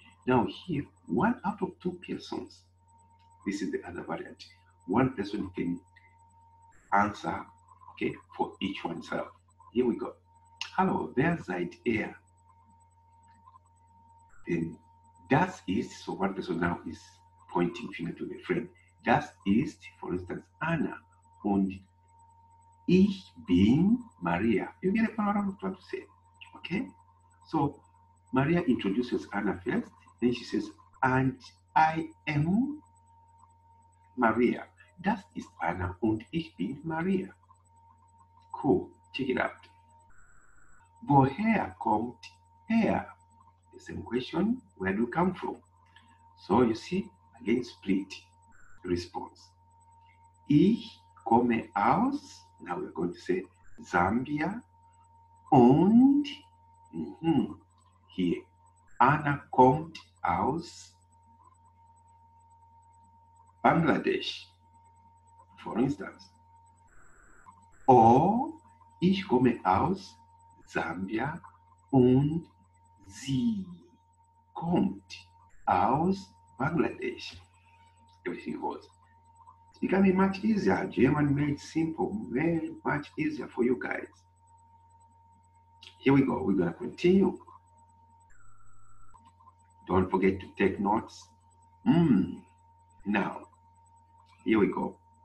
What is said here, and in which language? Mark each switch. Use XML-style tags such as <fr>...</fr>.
<en>Now here, one out of two persons, this is the other variant, one person can answer, okay, for each oneself. Here we go.</en> <de>Hallo, wer seid ihr?</de> <en>Then</en> <de>das ist,</de> <en>so one person now is pointing finger to the friend.</en> <de>Das ist,</de> <en>for instance,</en> <de>Anna, und ich bin Maria.</de> <en>You get a power of what to say, okay? So, Maria introduces Anna first, then she says, and I am Maria.</en> <de>Das ist Anna, und ich bin Maria.</de> <en>Cool, check it out.</en> <de>Woher kommt er?</de> <en>The same question, where do you come from? So, you see, again, split. Response.</en> <de>Ich komme aus,</de> <en>now we're going to say Zambia, und here Anna</en> <de>kommt aus</de> <en>Bangladesh. for instance.</en> <de>Or ich komme aus Sambia und sie kommt aus Bangladesh.</de> <en>Everything was. It's becoming much easier. German made simple, very much easier for you guys. Here we go. We're going to continue. Don't forget to take notes. Now, here we go.</en>